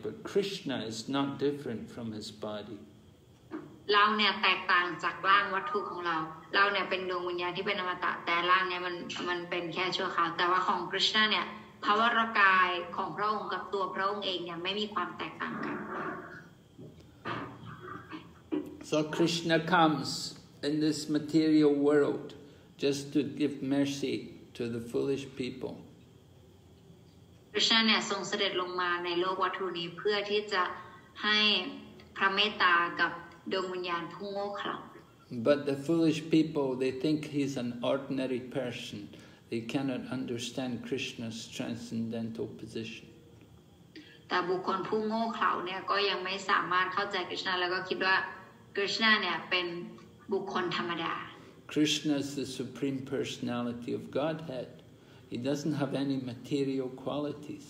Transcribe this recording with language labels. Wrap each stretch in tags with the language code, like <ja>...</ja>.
<en>But Krishna is not different from his body.</en> <th>เราเนี่ยแตกต่างจากร่างวัตถุของเราเราเนี่ยเป็นดวงวิญญาณที่เป็นอมตะแต่ร่างเนี่ยมันเป็นแค่ชั่วคราวแต่ว่าของ Krishna เนี่ยภาวะร่างกายของพระองค์กับตัวพระองค์เองเนี่ยไม่มีความแตกต่างกัน</th> <en>So Krishna comes in this material world just to give mercy to the foolish people.</en> <th>Krishna เนี่ยทรงเสด็จลงมาในโลกวัตถุนี้เพื่อที่จะให้พระเมตตากับดวงวิญญาณผู้โง่เขลา</th> <en>But the foolish people, they think he's an ordinary person. They cannot understand Krishna's transcendental position.</en> <th>แต่บุคคลผู้โง่เขลาเนี่ยก็ยังไม่สามารถเข้าใจ Krishna แล้วก็คิดว่าKrishna เนี่ยเป็นบุคคลธรรมดา</th> <en>Krishna is the supreme personality of Godhead. He doesn't have any material qualities.</en>